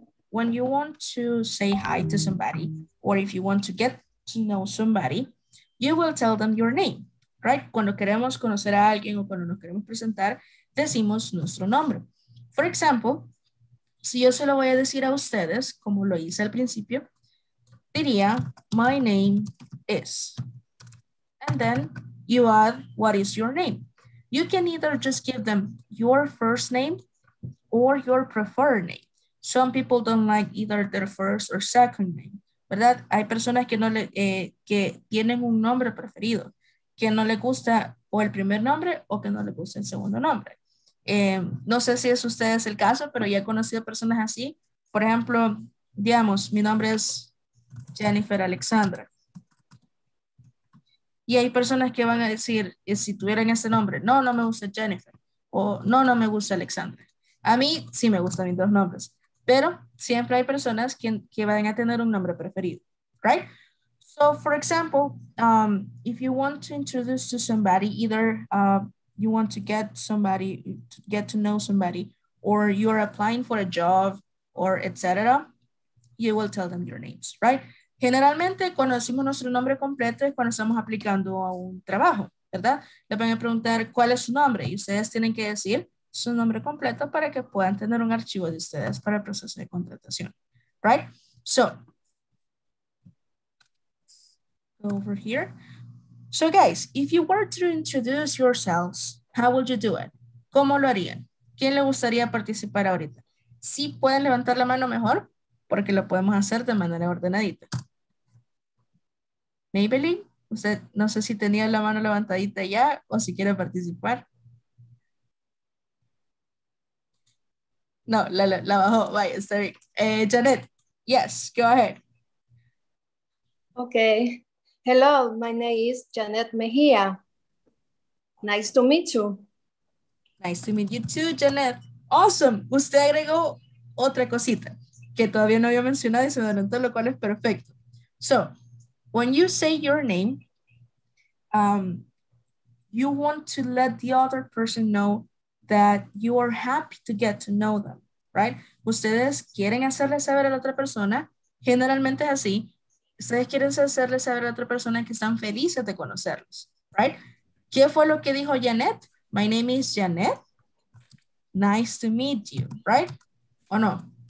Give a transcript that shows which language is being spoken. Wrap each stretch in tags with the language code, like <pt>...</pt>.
<en>when you want to say hi to somebody, or if you want to get to know somebody, you will tell them your name, right?</en> <es>Cuando queremos conocer a alguien o cuando nos queremos presentar, decimos nuestro nombre.</es> <en>For example,</en> <es>si yo se lo voy a decir a ustedes, como lo hice al principio, diría,</es> <en>my name is. And then you add, what is your name? You can either just give them your first name or your preferred name. Some people don't like either their first or second name, ¿verdad?</en> <es>Hay personas que, que tienen un nombre preferido, que no le gusta o el primer nombre o que no le gusta el segundo nombre. No sé si es ustedes el caso, pero ya he conocido personas así. Por ejemplo, digamos, mi nombre es Jennifer Alexandra. Y hay personas que van a decir, si tuvieran ese nombre, no, no me gusta Jennifer. O no, no me gusta Alexandra. A mí sí me gustan mis dos nombres. Pero siempre hay personas que van a tener un nombre preferido, right?</es> <en>So, for example, if you want to introduce to somebody, either you want to get somebody, to get to know somebody, or you're applying for a job, or etc., you will tell them your names, right?</en> <es>Generalmente, cuando decimos nuestro nombre completo es cuando estamos aplicando a un trabajo, ¿verdad? Le van a preguntar cuál es su nombre y ustedes tienen que decir su nombre completo para que puedan tener un archivo de ustedes para el proceso de contratación, right?</es> <en>So, over here. So guys, if you were to introduce yourselves, how would you do it?</en> <es>¿Cómo lo harían? ¿Quién le gustaría participar ahorita? Si pueden levantar la mano mejor, porque lo podemos hacer de manera ordenadita. Maybelline, usted no sé si tenía la mano levantadita ya o si quiere participar. No, la bajó. Vaya, está bien. Janet,</es> <en>yes, go ahead. Okay. Hello, my name is Janet Mejia. Nice to meet you. Nice to meet you too, Janet. Awesome.</en> <es>Usted agregó otra cosita que todavía no había mencionado y se adelantó, lo cual es perfecto.</es> <en>So, when you say your name, you want to let the other person know that you are happy to get to know them, right?</en> <es>Ustedes quieren hacerle saber a la otra persona, generalmente es así, ustedes quieren hacerle saber a la otra persona que están felices de conocerlos, right? ¿Qué fue lo que dijo Janet?</es> <en>My name is Janet. Nice to meet you, right?</en> <es>¿O no?</es>